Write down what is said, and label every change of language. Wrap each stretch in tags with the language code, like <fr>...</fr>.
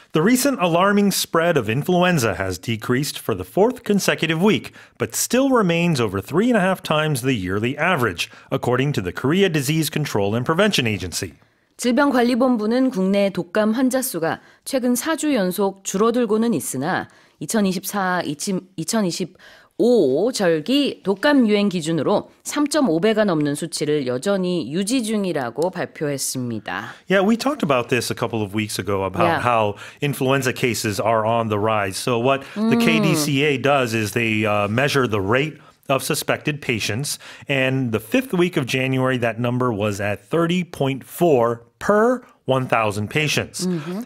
<en>The recent alarming spread of influenza has decreased for the fourth consecutive week, but still remains over 3.5 times the yearly average, according to the Korea Disease Control and Prevention Agency.</en> <ko>질병관리본부는 국내 독감 환자 수가 최근 4주 연속 줄어들고는 있으나 2024-2025 절기 독감 유행 기준으로 3.5배가 넘는 수치를 여전히 유지 중이라고 발표했습니다.</ko> <en>Yeah, we talked about this a couple of weeks ago about yeah. how influenza cases are on the rise. So what the KDCA does is they measure the rate of suspected patients. And the fifth week of January, that number was at 30.4 per 1,000 patients. Mm-hmm.</en>